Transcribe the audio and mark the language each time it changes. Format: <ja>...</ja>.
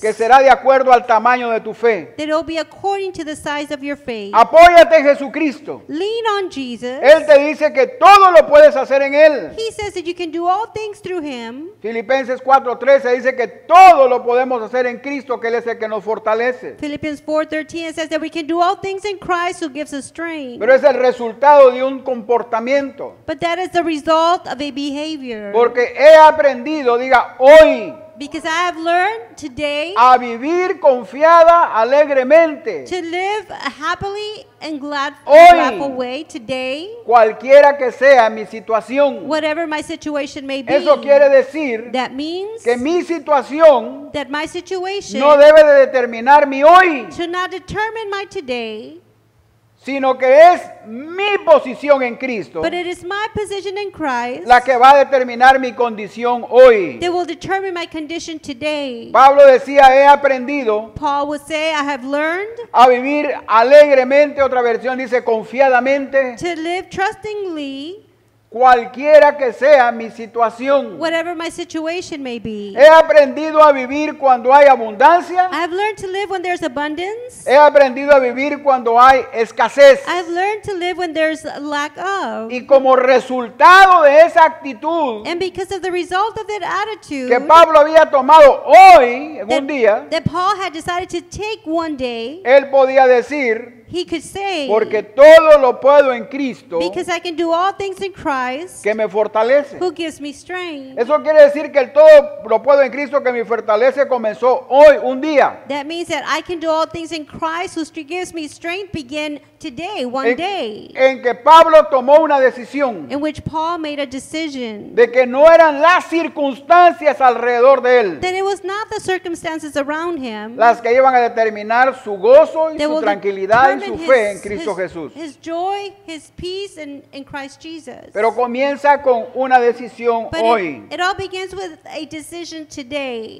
<es>Que será de acuerdo al tamaño de tu fe.</es> <en>That it will be according to the size of your faith.</en> <es>Apóyate en Jesucristo.</es> <en>Lean on Jesus.</en> <es>Él te dice que todo lo puedes hacer en Él.</es> <en>He says that you can do all things through Him.</en> <es>Filipenses 4:13 dice que todo lo podemos hacer en Cristo, que Él es el que nos fortalece.</es> <en>Philippians 4:13 says that we can do all things in Christ who gives us strength.</en> <es>Pero es el resultado de un comportamiento.</es> <en>But that is the result of a behavior.</en> <es>Porque he aprendido, diga, hoy.</es> <en>Because I have learned today</en> <es>a vivir confiada alegremente.</es> <en>To live happily and glad</en> <es>hoy,</es> <en>way today,</en> <es>cualquiera que sea mi situación,</es> <en>whatever my situation may be,</en> <es>eso quiere decir</es> <en>that means</en> <es>que mi situación,</es> <en>that my situation</en> <es>no debe de determinar mi hoy,</es> <en>should not determine my today,</en> <es>sino que es mi posición en Cristo,</es> <en>but it is my position in Christ,</en> <es>la que va a determinar mi condición hoy.</es> <en>That will determine my condition today.</en> <es>Pablo decía, he aprendido,</es> <en>Paul would say, I have learned,</en> <es>a vivir alegremente, otra versión dice confiadamente,</es> <en>to live trustingly,</en> <es>cualquiera que sea mi situación.</es> <en>Whatever my situation may be.</en> <es>He aprendido a vivir cuando hay abundancia.</es> <en>I've learned to live when there's abundance.</en> <es>He aprendido a vivir cuando hay escasez.</es> <en>I've learned to live when there's lack of.</en> <es>Y como resultado de esa actitud,</es> <en>and because of the result of that attitude,</en> <es>que Pablo había tomado hoy, en</es> <en>that,</en> <es>un día,</es> <en>that Paul had decided to take one day,</en> <es>él podía decir,</es> <en>he could say,</en> <es>porque todo lo puedo en Cristo,</es> <en>because I can do all things in Christ,</en> <es>que me fortalece,</es> <en>who gives me strength.</en> <es>Eso quiere decir que el todo lo puedo en Cristo que me fortalece comenzó hoy, un día.</es> <en>That means that I can do all things in Christ who gives me strength begin today, one</en> <es>en,</es> <en>day.</en> <es>En que Pablo tomó una decisión,</es> <en>in which Paul made a decision,</en> <es>de que no eran las circunstancias alrededor de él,</es> <en>that it was not the circumstances around him,</en> <es>las que iban a determinar su gozo y su tranquilidad. En su fe en Cristo Jesús.</es> <en>His joy, his peace in Christ Jesus.</en> <es>Pero comienza con una decisión hoy.</es> <en>It all begins with a decision today.</en>